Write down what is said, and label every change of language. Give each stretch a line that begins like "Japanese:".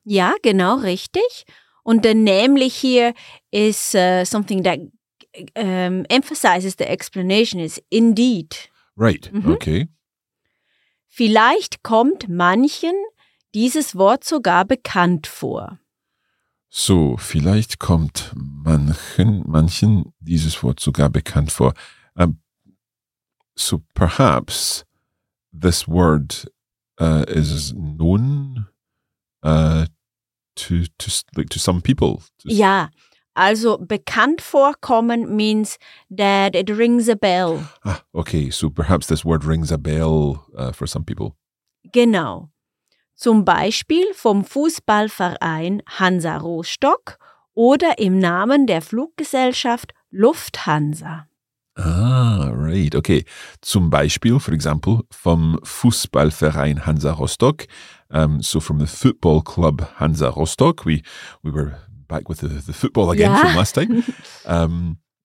German: Ja, genau, richtig. Und der nämlich hier ist
English: something that emphasizes the explanation, is indeed. Right, okay.
German: Vielleicht kommt manchen dieses Wort sogar bekannt vor. So, vielleicht kommt manchen dieses Wort sogar bekannt vor.
English: So, perhaps this word is known to some people.
German: Ja, also bekannt vorkommen
English: means that it rings a bell. Ah, okay, so perhaps this word rings a bell for some people.
German: Genau. Zum Beispiel vom Fußballverein Hansa Rostock oder im Namen der Fluggesellschaft Lufthansa.
English: Ah, right. Okay.
German: Zum Beispiel,
English: for example,
German: vom Fußballverein Hansa Rostock.
English: So from the football club Hansa Rostock. We were back with the football again from last time.